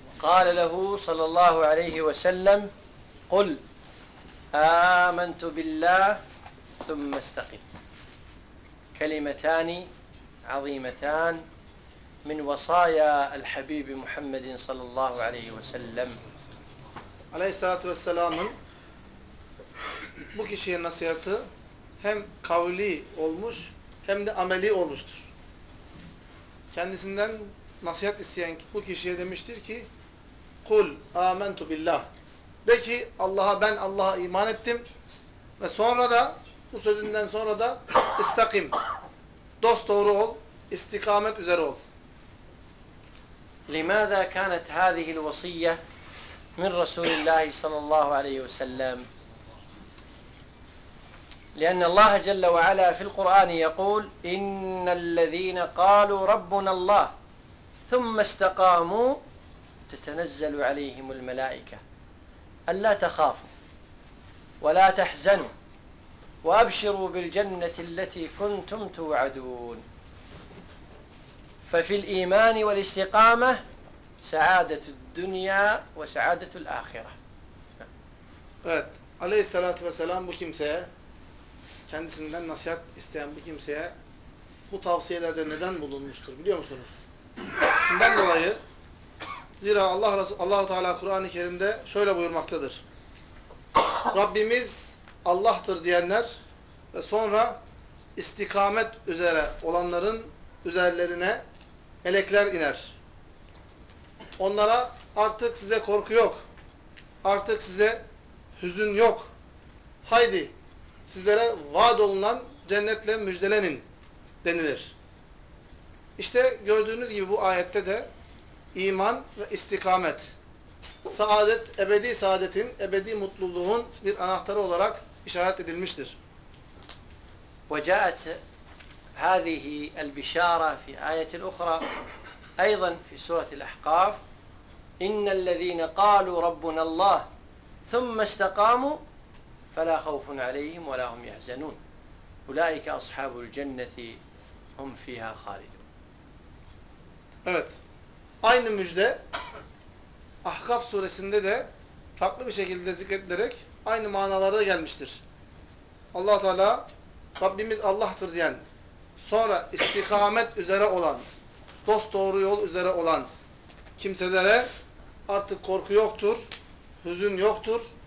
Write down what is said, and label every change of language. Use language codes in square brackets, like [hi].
[ar] قال له صلى الله عليه وسلم قل آمنت بالله ثم استقم. كلمتان عظيمتان من وصايا الحبيب محمد صلى الله عليه وسلم. [tr] Aleyhissalatu vesselam'ın bu kişiye nasihatı hem kavli olmuş hem de ameli olmuştur. Kendisinden nasihat isteyen bu kişiye demiştir ki [ar] kul amentu billah. [tr] De ki Allah'a, ben Allah'a iman ettim ve sonra da bu sözünden sonra da istakim. Dost doğru ol, istikamet üzere ol. [ar] لماذا كانت هذه الوصية من رسول الله صلى الله عليه وسلم؟ لأن الله جل وعلا في القرآن يقول إن الذين قالوا ربنا الله ثم استقاموا تتنزل عليهم الملائكة ألا تخافوا ولا تحزنوا وأبشروا بالجنة التي كنتم توعدون. ففي الإيمان والاستقامة سعادة الدنيا وسعادة الآخرة. [tr] Evet. Aleyhissalatü vesselam bu kimseye, kendisinden nasihat isteyen bu kimseye bu tavsiyelerde neden bulunmuştur biliyor musunuz? Şundan dolayı, zira Allah-u Teala Kur'an-ı Kerim'de şöyle buyurmaktadır. Rabbimiz Allah'tır diyenler ve sonra istikamet üzere olanların üzerlerine melekler iner. Onlara artık size korku yok. Artık size hüzün yok. Haydi sizlere vaat olunan cennetle müjdelenin denilir. İşte gördüğünüz gibi bu ayette de iman ve istikamet, saadet, ebedi saadetin, ebedi mutluluğun bir anahtarı olarak işaret edilmiştir. [ar] وجاءت هذه البشارة في آية أخرى أيضا في سورة الأحقاف إن الذين قالوا ربنا الله ثم استقاموا فلا خوف عليهم ولا هم يحزنون أولئك أصحاب الجنة هم فيها خالدون. [tr] Evet. Aynı müjde Ahkaf suresinde de farklı bir şekilde zikredilerek aynı manalara gelmiştir. Allah Teala Rabbimiz Allah'tır diyen, sonra istikamet üzere olan, dost doğru yol üzere olan kimselere artık korku yoktur, hüzün yoktur.